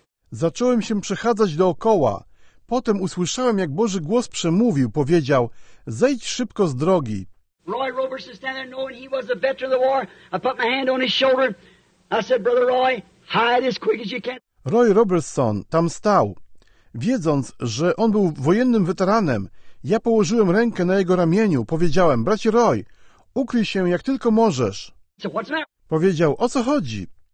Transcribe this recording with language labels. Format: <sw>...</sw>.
<pl>Zacząłem się przechadzać dookoła. Potem usłyszałem, jak Boży głos przemówił. Powiedział, zejdź szybko z drogi.</pl> <en>Roy Roberson stand there knowing he was a veteran of the war. I put my hand on his shoulder. I said, Brother Roy, hide as quick as you can.</en> <pl>Roy Roberson tam stał. Wiedząc, że on był wojennym weteranem, ja położyłem rękę na jego ramieniu. Powiedziałem, bracie Roy, ukryj się, jak tylko możesz. Powiedział, o co chodzi?</pl>